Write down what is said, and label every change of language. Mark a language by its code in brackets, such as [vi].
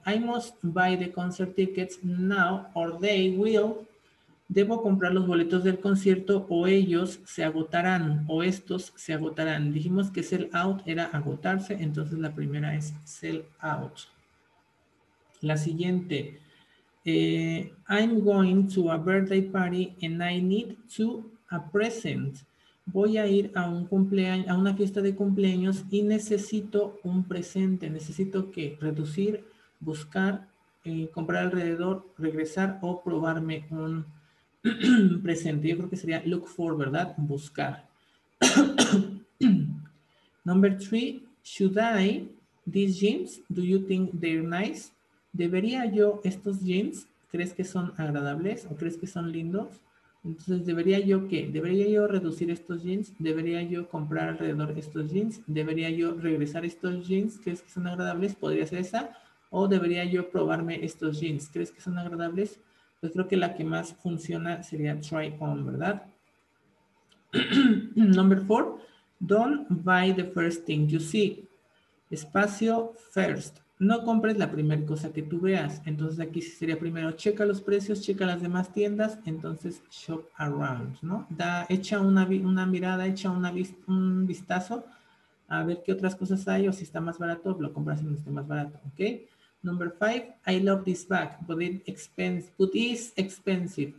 [en] I must buy the concert tickets now or they will. [es] Debo comprar los boletos del concierto o ellos se agotarán o estos se agotarán. Dijimos que sell out era agotarse, entonces la primera es sell out. La siguiente. [en] I'm going to a birthday party and I need to a present. [es] Voy a ir a un cumpleaños, a una fiesta de cumpleaños y necesito un presente. Necesito que reducir, buscar, comprar alrededor, regresar o probarme un presente. Yo creo que sería look for, ¿verdad? Buscar. [en] Number three, should I these jeans? Do you think they're nice? [es] ¿Debería yo estos jeans? ¿Crees que son agradables o crees que son lindos? Entonces, ¿debería yo qué? ¿Debería yo reducir estos jeans? ¿Debería yo comprar alrededor estos jeans? ¿Debería yo regresar estos jeans? ¿Crees que son agradables? ¿Podría ser esa? ¿O debería yo probarme estos jeans? ¿Crees que son agradables? Pues creo que la que más funciona sería try on, ¿verdad? [en] Number four, don't buy the first thing you see. [es] Espacio first. No compres la primera cosa que tú veas. Entonces aquí sí sería primero, checa los precios, checa las demás tiendas, entonces shop around, ¿no? Echa una mirada, echa un vistazo a ver qué otras cosas hay o si está más barato, lo compras en donde esté más barato, ¿ok? [en] Number five, I love this bag, but it's expensive.